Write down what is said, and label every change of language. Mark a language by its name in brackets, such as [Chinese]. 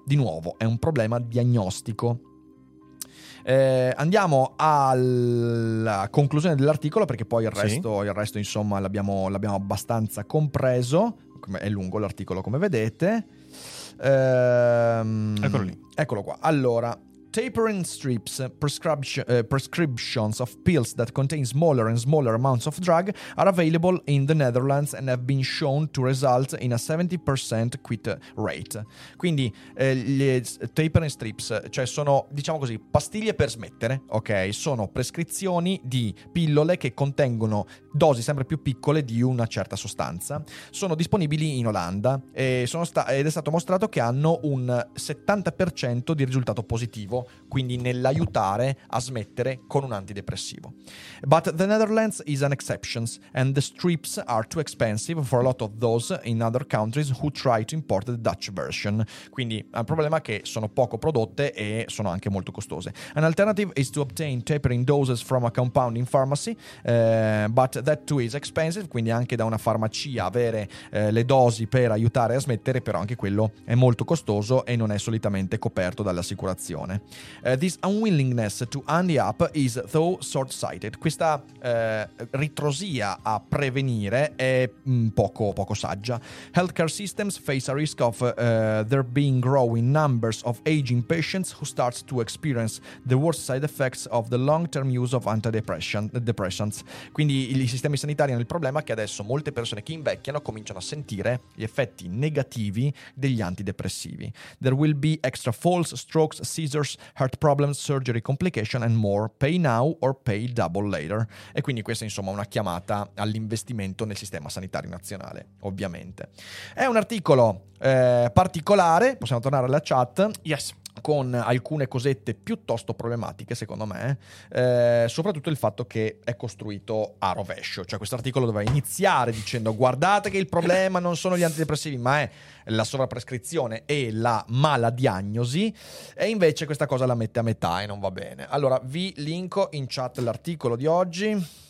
[Italian] Di nuovo, è un problema diagnostico. Andiamo alla conclusione dell'articolo, perché poi il resto insomma l'abbiamo abbastanza compreso. È lungo l'articolo, come vedete. Eccolo lì. Eccolo qua. Allora... [English] Tapering strips, prescriptions of pills that contain smaller and smaller amounts of drug are available in the Netherlands and have been shown to result in a 70% quit rate. [Italian] Quindi le tapering strips, cioè sono, diciamo così, pastiglie per smettere, ok? Sono prescrizioni di pillole che contengono dosi sempre più piccole di una certa sostanza. Sono disponibili in Olanda e ed è stato mostrato che hanno un 70% di risultato positivo. Quindi nell'aiutare a smettere con un antidepressivo. [English] But the Netherlands is an exception and the strips are too expensive for a lot of those in other countries who try to import the Dutch version. [Italian] Quindi il problema è che sono poco prodotte e sono anche molto costose. [English] An alternative is to obtain tapering doses from a compounding pharmacy, but that too is expensive. [Italian] Quindi anche da una farmacia avere le dosi per aiutare a smettere, però anche quello è molto costoso e non è solitamente coperto dall'assicurazione. [English] This unwillingness to hand up is though short-sighted. [Italian] Questa ritrosia a prevenire è poco saggia. [English] Healthcare systems face a risk of there being growing numbers of aging patients who start to experience the worst side effects of the long-term use of antidepressants. [Italian] Quindi i sistemi sanitari hanno il problema che adesso molte persone che invecchiano cominciano a sentire gli effetti negativi degli antidepressivi. [English] There will be extra falls, strokes, seizures, heart problems, surgery complication and more, pay now or pay double later. [Italian] E quindi questa è insomma una chiamata all'investimento nel sistema sanitario nazionale, ovviamente. È un articolo particolare, possiamo tornare alla chat, [English] yes, [Italian] con alcune cosette piuttosto problematiche secondo me, soprattutto il fatto che è costruito a rovescio, cioè questo articolo doveva iniziare dicendo guardate che il problema non sono gli antidepressivi ma è la sovrapprescrizione e la mala diagnosi, e invece questa cosa la mette a metà e non va bene. Allora vi linko in chat l'articolo di oggi